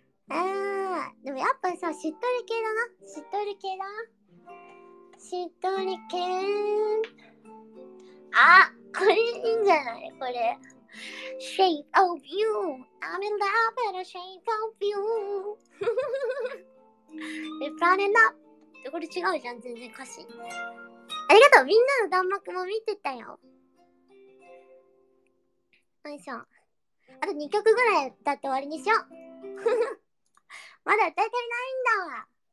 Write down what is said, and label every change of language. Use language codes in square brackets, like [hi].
[ja] あー、でもやっぱさ、しっとり系だな、しっとり系だ、しっとり系。あ、これいいんじゃない、これ [en] Shape of you, I'm in love with the shape of you. It's running up. [ja] これ違うじゃん、全然歌詞。ありがとう、みんなの弾幕も見てたよ。よいしょ。あと2曲ぐらいだって終わりにしよう。まだ歌い足りないんだわ。